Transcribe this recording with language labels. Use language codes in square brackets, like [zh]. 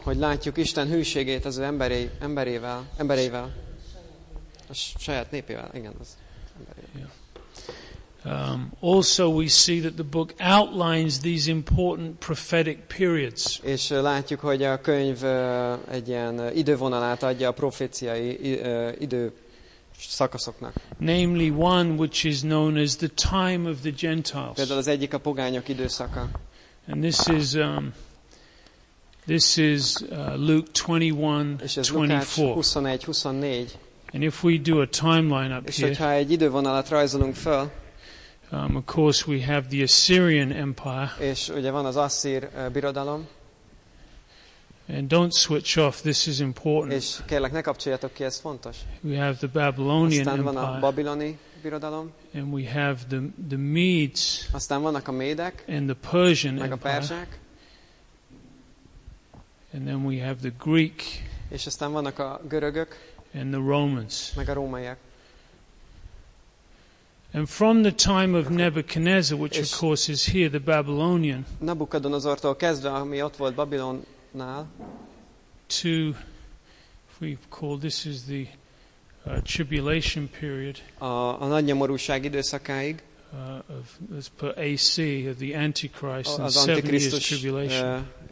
[hu] Hogy látjuk Isten hűségét az ő embereivel. A saját népével, igen, az emberével. [en] Yeah. Also we see that the book outlines these important prophetic periods. [hu] És látjuk, hogy a könyv egy ilyen idővonalát adja a proféciai idő szakaszoknak. [en] Namely one which is known as the time of the Gentiles. [hu] Például az egyik a pogányok időszaka. [en] And this is Luke 21:24. And if we do a timeline up here. [hu] És hogyha egy idővonalat rajzolunk fel. [en] Of course we have the Assyrian Empire. [hu] És ugye van az Asszír birodalom. [en] And don't switch off, this is important. [hu] És kérlek, ne kapcsoljatok ki, ez fontos. [en] We have the Babylonian Empire. [hu] Aztán van a babiloni birodalom. [en] And we have the Medes. [hu] Aztán vannak a médek. [en] And the Persian [hu] meg [en] Empire. [hu] A perzsák. [en] And then we have the Greek. [hu] És aztán vannak a görögök. [en] And the Romans. [hu] Meg a rómaiak. [en] And from the time of Nebuchadnezzar, which of course is here, the Babylonian, [hu] Nabukadonozortól kezdve, ami ott volt Babilonnál, [en] to we call this is the tribulation period. [hu] A nagy nyomorúság időszakáig. [en] Of this per AC of the Antichrist and 7 years tribulation.